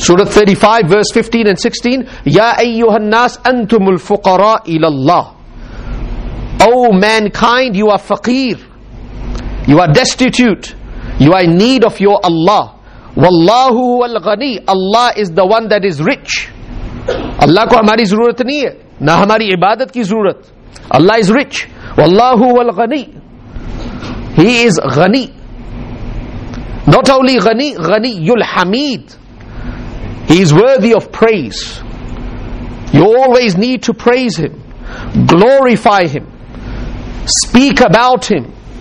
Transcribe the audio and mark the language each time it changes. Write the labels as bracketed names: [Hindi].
[English] Surah 35, verse 15 and 16. [Arabic] Ya ayyuhan nas antumul fuqara ilallah. [English] O mankind, you are faqir. You are destitute. You are in need of your Allah. [Arabic] Wallahu huwal ghani. [English] Allah is the one that is rich. [Urdu] اللہ کو ہماری ضرورت نہیں ہے۔ نہ ہماری عبادت کی ضرورت۔ [English] Allah is rich. [Arabic] Wallahu huwal ghani. [English] He is ghani. Not only ghani, [Arabic] ghaniyul hamid. [English] He is worthy of praise. You always need to praise Him, glorify Him, speak about Him.